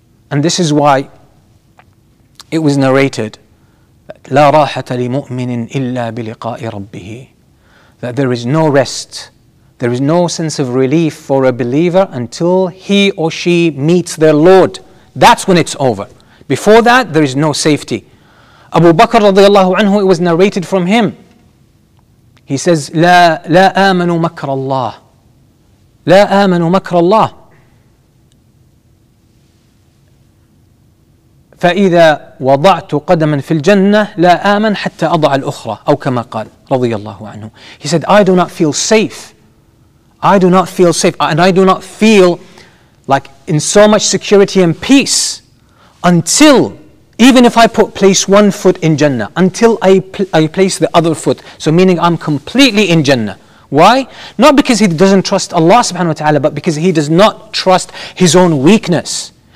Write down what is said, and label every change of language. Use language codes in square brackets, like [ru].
[en] And this is why it was narrated, [ar] لا راحة لمؤمن إلا بلقاء ربه, [en] that there is no rest, there is no sense of relief for a believer until he or she meets their Lord. That's when it's over. Before that, there is no safety. Abu Bakr radiallahu anhu, it was narrated from him. He says, [ar] لا آمن مكر الله. لا آمن مكر الله. فإذا وضعت قدما في الجنة لا آمن حتى أضع الأخرى. أو كما قال رضي الله عنه. [en] He said, I do not feel safe. I do not feel safe. And I do not feel like in so much security and peace until, even if I place one foot in Jannah, until I place the other foot. So meaning I'm completely in Jannah. Why? Not because he doesn't trust Allah subhanahu wa ta'ala, but because he does not trust his own weakness.